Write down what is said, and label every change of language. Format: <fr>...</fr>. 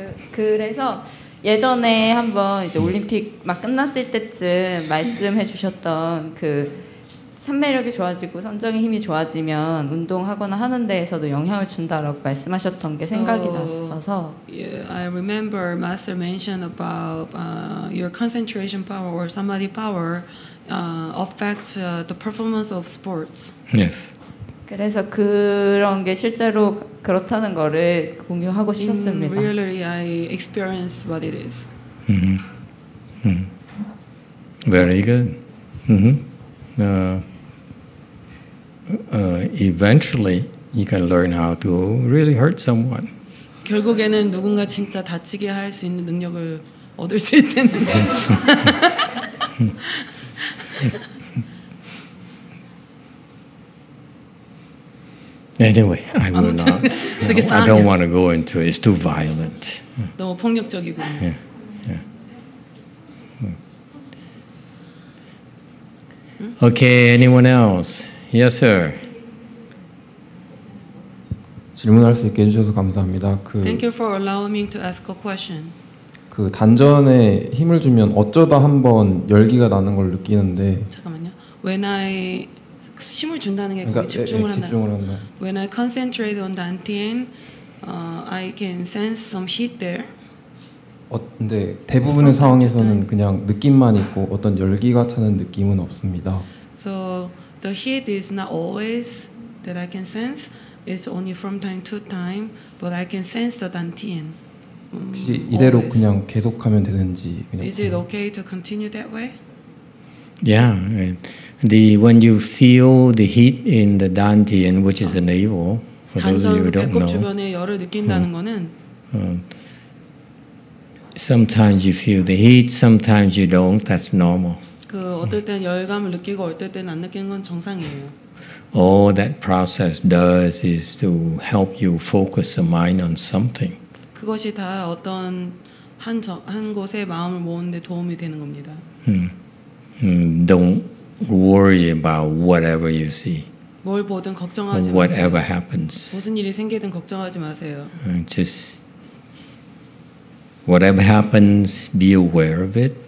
<ko>그래서 예전에 한번 이제 올림픽 막 끝났을 때쯤 말씀해 주셨던 그 삼매력이 좋아지고 선정의 힘이 좋아지면 운동하거나 하는 데에서도 영향을 준다라고 말씀하셨던 게 생각이</ko> <en>so,</en> <ko>났어서</ko> <en>yeah, I remember Master mentioned about your concentration power or samadhi power affects the performance of sports. Yes.</en> <ko>그래서 그런 게 실제로 그렇다는 거를 공유하고 싶었습니다.</ko> <en>In reality, I experienced what it is. Very good. Eventually, you can learn how to really hurt someone.</en> <ko>결국에는 누군가 진짜 다치게 할 수 있는 능력을 얻을 수 있는 거예요.</ko> <en>Anyway, I will not. You know, I don't want to go into it. It's too violent.</en> <ko>너무 폭력적이고.</ko> <en>Okay, anyone else? Yes, sir.</en> <ko>질문할 수 있게 해주셔서 감사합니다. 그</ko> <en>Thank you for allowing me to ask a question.</en> <ko>그 단전에 힘을 주면 어쩌다 한번 열기가 나는 걸 느끼는데 잠깐만요.</ko> <en>When I</en> <ko>힘을 준다는 게 그러니까 집중을 한다.</ko> <en>When I concentrate on dantian, I can sense some heat there.</en> <ko>근데 대부분의 상황에서는 그냥 느낌만 있고 어떤 열기가 차는 느낌은 없습니다.</ko> <en>So the heat is not always that I can sense. It's only from time to time, but I can sense the dantian.</en> <ko>혹시 이대로 always. 그냥 계속하면 되는지 그냥</ko> <en>Is it okay to continue that way? Yeah. The when you feel the heat in the dantian, which is the navel, for those of you who don't know.</en> <ko>단전 배꼽 주변에 열을 느낀다는 거는</ko> <en>Sometimes you feel the heat, sometimes you don't. That's normal.</en> <ko>그 어떨 땐 열감을 느끼고 어떨 땐 안 느끼는 건 정상이에요.</ko> <en>All that process does is to help you focus your mind on something.</en> <ko>그것이 다 어떤 한 곳에 마음을 모으는데 도움이 되는 겁니다.</ko> <en>Don't worry about whatever you see.</en> <ko>뭘 보든 걱정하지 마세요.</ko> <en>Whatever happens.</en> <ko>무슨 일이 생기든 걱정하지 마세요.</ko> <en>Just whatever happens, be aware of it.</en>